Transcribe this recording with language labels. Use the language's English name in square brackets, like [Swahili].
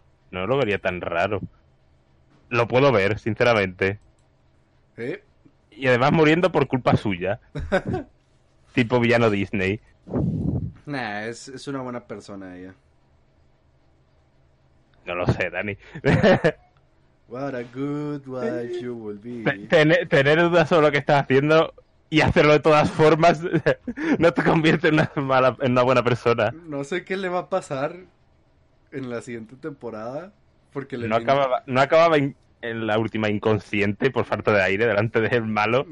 [Spanish] No lo vería tan raro. Lo puedo ver, sinceramente. ¿Eh? Y además muriendo por culpa suya. Tipo villano Disney. Nah, es una buena persona ella. No lo sé, Dani. [English] What a good wife you will be. [Spanish] Tener dudas sobre lo que estás haciendo... Y hacerlo de todas formas no te convierte en una buena persona. No sé qué le va a pasar en la siguiente temporada. Porque acababa en la última inconsciente por falta de aire delante del malo.